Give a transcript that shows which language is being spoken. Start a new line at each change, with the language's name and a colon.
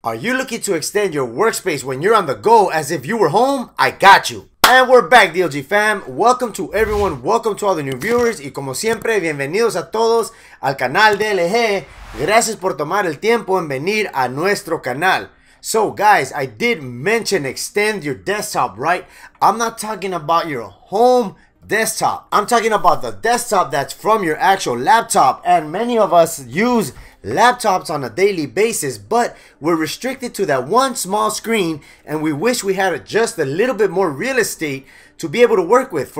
English: Are you looking to extend your workspace when you're on the go as if you were home? I got you. And we're back, DLG fam. Welcome to everyone. Welcome to all the new viewers.
Spanish: Y como siempre, bienvenidos a todos al canal DLG. Gracias por tomar el tiempo en venir a nuestro canal.
English: So guys, I did mention extend your desktop, right? I'm not talking about your home desktop. I'm talking about the desktop that's from your actual laptop. And many of us use laptops on a daily basis, but we're restricted to that one small screen and we wish we had just a little bit more real estate to be able to work with.